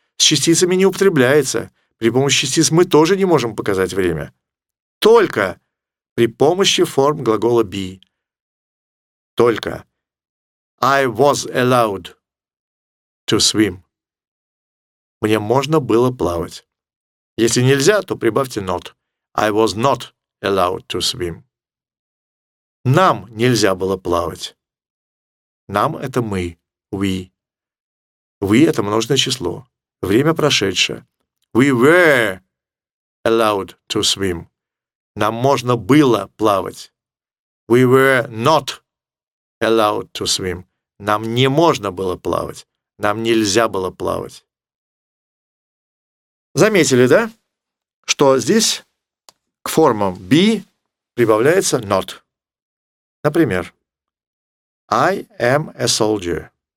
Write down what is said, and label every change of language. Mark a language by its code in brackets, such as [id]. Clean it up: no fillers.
[ru] С частицами не употребляется. При помощи частиц мы тоже не можем показать время. Только при помощи форм глагола be. Только. [en] I was allowed to swim. [ru] Мне можно было плавать. Если нельзя, то прибавьте not. [en] I was not allowed to swim. [ru] Нам нельзя было плавать. Нам — это мы, we. We — это множное число. Время прошедшее. [en] We were allowed to swim. [ru] Нам можно было плавать. [en] We were not allowed to swim. [ru] Нам не можно было плавать. Нам нельзя было плавать. Заметили, да, что здесь к формам be прибавляется not. Например, [en] I am a soldier.